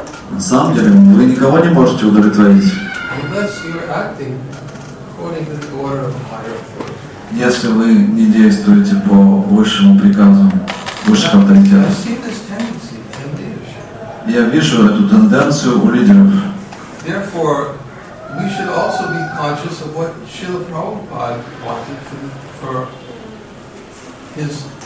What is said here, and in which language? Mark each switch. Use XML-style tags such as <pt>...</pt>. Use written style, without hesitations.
<ru>На самом деле, вы никого не можете удовлетворить.</ru> <en>Unless you're acting according to the order of higher authority.</en> <ru>Если вы не действуете по высшему приказу, высшего авторитета.</ru> <en>I see this tendency in leadership.</en> <ru>Я вижу эту тенденцию у лидеров.</ru> <en>Therefore, we should also be conscious of what Srila Prabhupada wanted for his</en>